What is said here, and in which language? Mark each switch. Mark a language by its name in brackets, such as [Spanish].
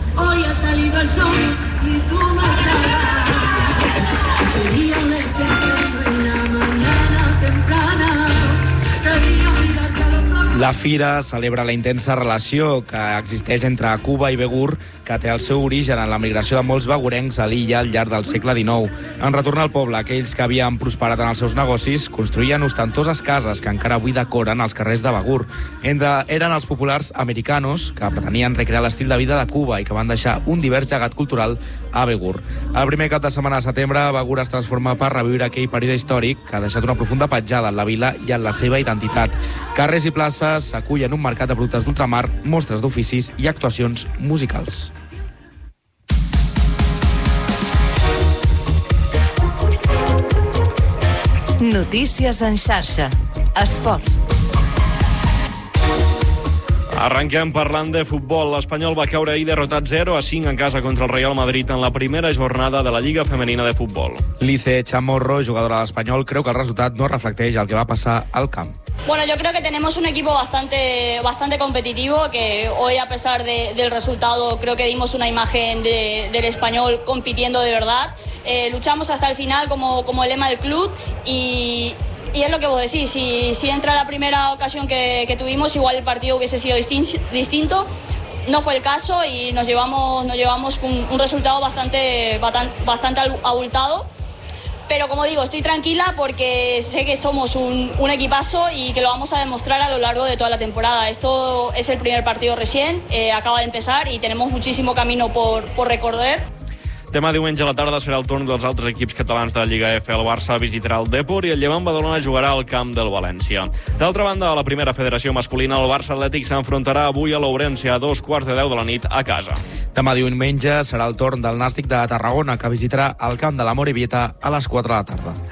[Spanish] Hoy ha salido el sol y tú no estás. Quería una estrella en la mañana temprana. Quería mirarte a los ojos. [Catalan] La Fira celebra la intensa relació que existeix entre Cuba i Begur, que té el seu origen en la migració de molts begurencs a l'illa al llarg del segle XIX. En retornar al poble, aquells que havien prosperat en els seus negocis construïen ostentoses cases que encara avui decoren els carrers de Begur. Eren els populars americanos que pretenien recrear l'estil de vida de Cuba i que van deixar un divers llegat cultural a Begur. El primer cap de setmana de setembre, Begur es transforma per reviure aquell període històric que ha deixat una profunda petjada en la vila i en la seva identitat. Carrers i places acullen un mercat de productes d'ultramar, mostres d'oficis i actuacions musicals. Notícies en xarxa. Esports. Arrenquem parlant de futbol. L'Espanyol va caure ahir derrotat 0-5 en casa contra el Real Madrid en la primera jornada de la Lliga Femenina de Futbol. Lice Chamorro, jugadora de l'Espanyol, creu que el resultat no reflecteix el que va passar al camp. [Spanish] Bueno, yo creo que tenemos un equipo bastante competitivo, que hoy a pesar del resultado creo que dimos una imagen del Espanyol compitiendo de verdad. Luchamos hasta el final como el lema del club y es lo que vos decís, si entra la primera ocasión que tuvimos, igual el partido hubiese sido distinto. No fue el caso y nos llevamos un resultado bastante abultado. Pero como digo, estoy tranquila porque sé que somos un equipazo y que lo vamos a demostrar a lo largo de toda la temporada. Esto es el primer partido recién, acaba de empezar y tenemos muchísimo camino por recorrer. [Catalan] Demà diumenge a la tarda serà el torn dels altres equips catalans de la Lliga F. El Barça visitarà el Depor i el Llevant Badalona jugarà al camp del València. D'altra banda, a la primera federació masculina, el Barça Atlètic s'enfrontarà avui a l'Ourense a 9:45 de la nit a casa. Demà diumenge serà el torn del Nàstic de Tarragona, que visitarà el camp de la Morevieta a 4:00 PM.